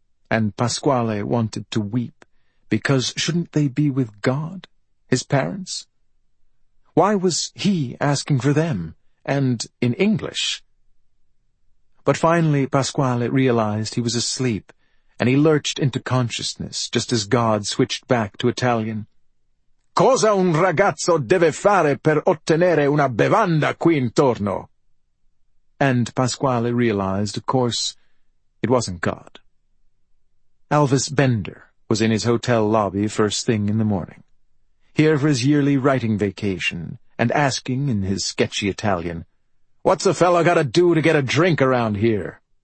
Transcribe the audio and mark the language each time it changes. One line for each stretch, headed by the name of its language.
English: And Pasquale wanted to weep, because shouldn't they be with God, his parents? Why was he asking for them, and in English? But finally Pasquale realized he was asleep, and he lurched into consciousness just as God switched back to Italian.
Italian: "Cosa un ragazzo deve fare per ottenere una bevanda qui intorno?"
English: And Pasquale realized, of course, it wasn't God. Elvis Bender was in his hotel lobby first thing in the morning, here for his yearly writing vacation, and asking in his sketchy Italian, "What's a fellow gotta do to get a drink around here?"